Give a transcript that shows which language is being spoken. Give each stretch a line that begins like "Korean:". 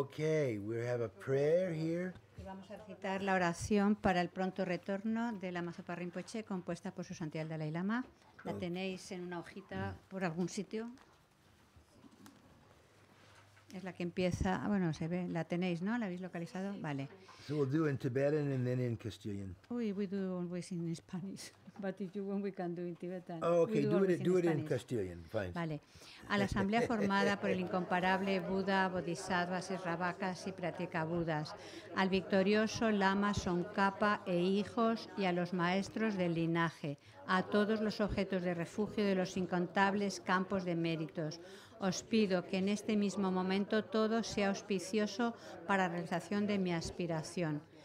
English: Okay, we have a prayer here.
Spanish: Vamos a recitar la oración para el pronto retorno de Lama Zopa Rinpoche, compuesta por su santidad Dalai Lama. La tenéis en una hojita por algún sitio. Es la que empieza, bueno, se ve, la tenéis, ¿no? ¿La habéis localizado? Vale.
English: So we'll do in Tibetan and then in Castilian. We do always in Spanish, but if you want, we can do in Tibetan. Oh, okay, do it in Castilian, fine.
Spanish: Vale. A la asamblea formada por el incomparable Buda, Bodhisattvas y Ravakas y Pratyekabuddhas, al victorioso Lama Tsongkhapa e hijos y a los maestros del linaje, a todos los objetos de refugio de los incontables campos de méritos, os pido que en este mismo momento todo sea auspicioso para la realización de mi aspiración.